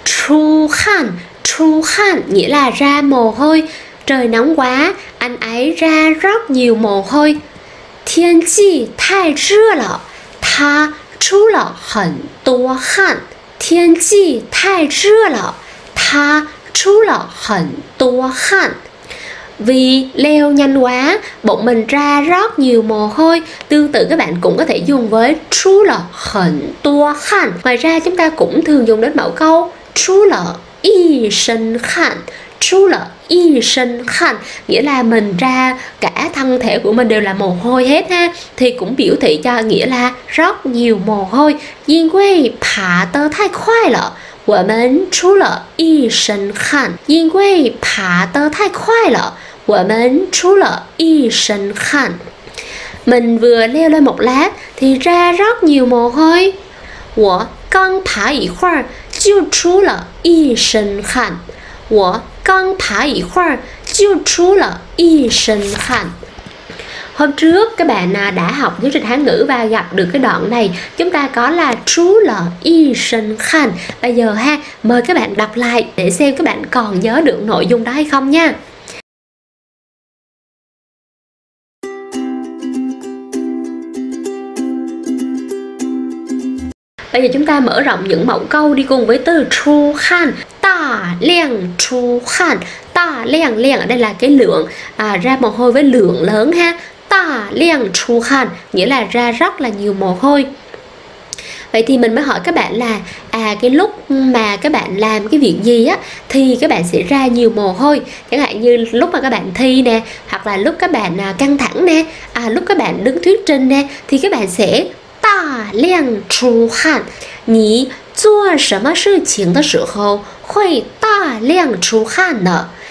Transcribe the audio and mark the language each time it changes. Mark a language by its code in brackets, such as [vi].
[vi] 出汗nghĩa là ra mồ hôi. Trời nóng quá, anh ấy ra rất nhiều mồ hôi. [zh] 天气太热了，他出了很多汗。天气太热了，他出了很多汗。 [vi] Vì leo nhanh quá, bụng mình ra rất nhiều mồ hôi. Tương tự các bạn cũng có thể dùng với [zh] 出了很多汗. [vi] Ngoài ra chúng ta cũng thường dùng đến mẫu câu [zh] 出了一身汗. 出了一身汗 [vi] nghĩa là mình ra cả thân thể của mình đều là mồ hôi hết ha. Thì cũng biểu thị cho nghĩa là rất nhiều mồ hôi. [zh] 因为爬得太快了 我们出了一身汗. 因为爬得太快了 我们出了一身汗. [vi] Mình vừa leo lên một lát thì ra rất nhiều mồ hôi. [zh] 我刚爬一会儿就出了一身汗. 我刚爬一会儿就出了一身汗. [vi] Hôm trước các bạn đã học giáo trình Hán ngữ và gặp được cái đoạn này, chúng ta có là [zh] 出了一身汗. [vi] Bây giờ ha, mời các bạn đọc lại để xem các bạn còn nhớ được nội dung đó hay không nha. 那么, chúng ta mở rộng những mẫu câu đi cùng với từ 出汗, 大量出汗, 大量量, ở đây là cái lượng, ra mồ hôi với lượng lớn ha. 大量出汗, nghĩa là ra rất là nhiều mồ hôi. Vậy thì mình mới hỏi các bạn là cái lúc mà các bạn làm cái việc gì á thì các bạn sẽ ra nhiều mồ hôi. Chẳng hạn như lúc mà các bạn thi nè, hoặc là lúc các bạn căng thẳng nè, lúc các bạn đứng thuyết trình nè, thì các bạn sẽ 大量出汗. [zh] 你做什么事情的时候会大量出汗的.